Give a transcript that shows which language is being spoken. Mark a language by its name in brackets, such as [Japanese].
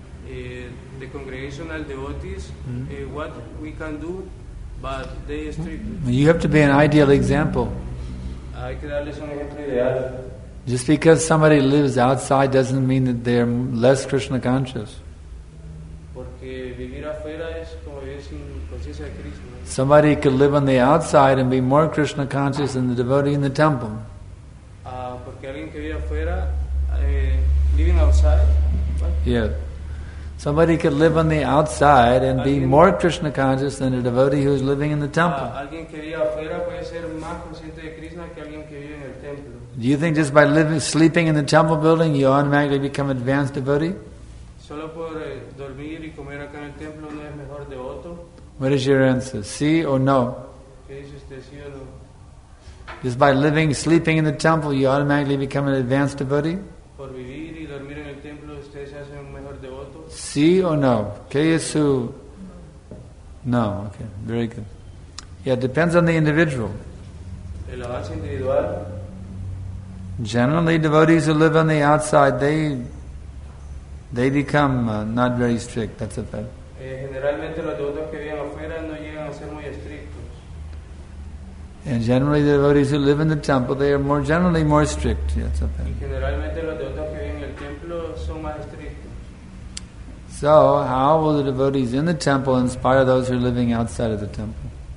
[English] The congregational devotees, mm-hmm. What we can do, but they strictly. You have to be an ideal example. [Spanish] Hay que darles un ejemplo ideal. [English] Just because somebody lives outside doesn't mean that they're less Krishna conscious. [Spanish] Porque vivir afuera es como vivir sin conciencia de Krishna. [English] Somebody could live on the outside and be more Krishna conscious than the devotee in the temple. [Spanish] Porque alguien que vive afuera, [English] living outside. What? Yeah. Somebody could live on the outside and be more Krishna conscious than a devotee who is living in the temple. [Spanish] Alguien que vive afuera puede ser más consciente de Krishna que alguien que vive en el templo. [English] Do you think just by living, sleeping in the temple building, you automatically become an advanced devotee? [Spanish] Solo por dormir y comer acá en el templo no es mejor devoto. [English] What is your answer? Sí or no? [Spanish] ¿Qué dice usted, sí o no? [English] Just by living, sleeping in the temple, you automatically become an advanced devotee? [Spanish] Por vivir y dormir en el templo, usted se hace un mejor devoto. [English] Sí or no? [Spanish] ¿Qué es su? [English] No. Okay. Very good. Yeah, it depends on the individual. [Spanish] El avance individual. [English] Generally, devotees who live on the outside, they become not very strict. That's a fact. [Spanish] Generalmente, los devotos que viven afuera no llegan a ser muy estrictos. [English] And generally, the devotees who live in the temple, they are more generally more strict. Yeah, that's a fact. [Spanish] Generalmente, los devotos que viven en el templo son más estrictos. [English] So, how will the devotees in the temple inspire those who are living outside of the temple?